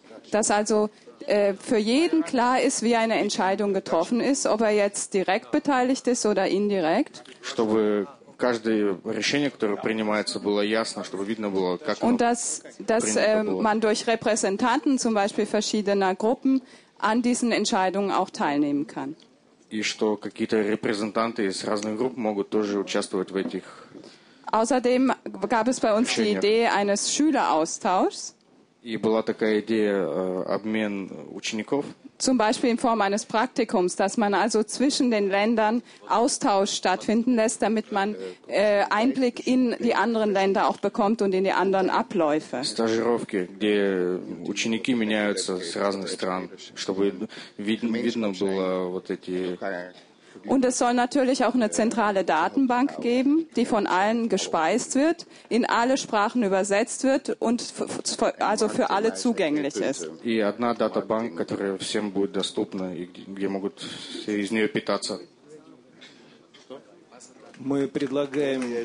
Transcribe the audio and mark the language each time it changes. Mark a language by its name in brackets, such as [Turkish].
[German] Dass also für jeden klar ist, wie eine Entscheidung getroffen ist, ob er jetzt direkt beteiligt ist oder indirekt. [Russian] Каждое решение, которое принимается, было ясно, чтобы видно было, как оно принято было. И что, репрезентанты, например, разных групп, [German] an diesen Entscheidungen auch teilnehmen kann. [Russian] И что какие-то репрезентанты из разных групп могут тоже участвовать в этих. [German] Außerdem gab es bei uns die Idee eines Schüleraustauschs. [Russian] И была такая идея обмен учеников. [German] Zum Beispiel in Form eines Praktikums, dass man also zwischen den Ländern Austausch stattfinden lässt, damit man Einblick in die anderen Länder auch bekommt und in die anderen Abläufe. [Russian] Стажировки, где ученики меняются с разных стран, чтобы видно было вот эти. [German] Und es soll natürlich auch eine zentrale Datenbank geben, die von allen gespeist wird, in alle Sprachen übersetzt wird und also für alle zugänglich ist. [Russian] И одна датабанк, которая всем будет доступна и где могут из неё питаться. Мы предлагаем.